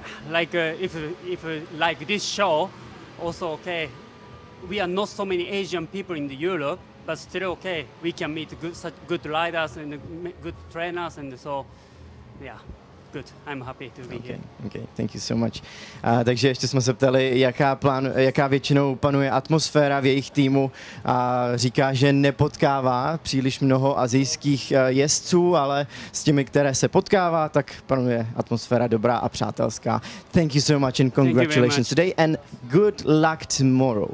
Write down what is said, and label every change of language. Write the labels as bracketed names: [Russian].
[English] Like if like this show, also okay. We are not so many Asian people in the Europe, but still okay. We can meet such good riders and good trainers and so. Yeah, good. I'm happy to be here. Okay, thank you so much. [Czech] Takže ještě jsme se ptali, jaká většinou panuje atmosféra v jejich týmu. Říká, že nepotkává příliš mnoho asijských jezdců, ale s těmi, které se potkává, tak panuje atmosféra dobrá a přátelská. [English] Thank you so much and congratulations today and good luck tomorrow.